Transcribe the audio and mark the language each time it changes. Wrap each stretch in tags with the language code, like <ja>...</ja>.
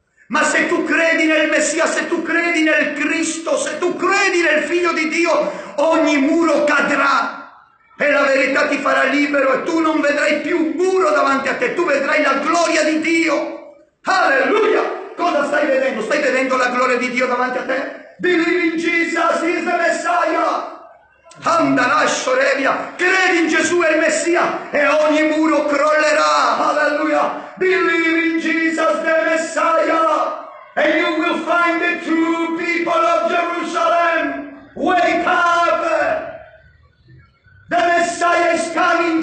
<it>Ma se tu credi nel Messia, se tu credi nel Cristo, se tu credi nel Figlio di Dio, ogni muro cadrà e la verità ti farà libero, e tu non vedrai più un muro davanti a te, tu vedrai la gloria di Dio. Alleluia! Cosa stai vedendo? Stai vedendo la gloria di Dio davanti a te?</it> <en>Believe in Jesus, he is the Messiah! Andalascio, Revia!</en> <it>Credi in Gesù e il Messia e ogni muro crollerà!</it> <en>Alleluia! Believe in Jesus, the Messiah! And you will find the true people of Jerusalem! Wake up! The Messiah is coming!</en>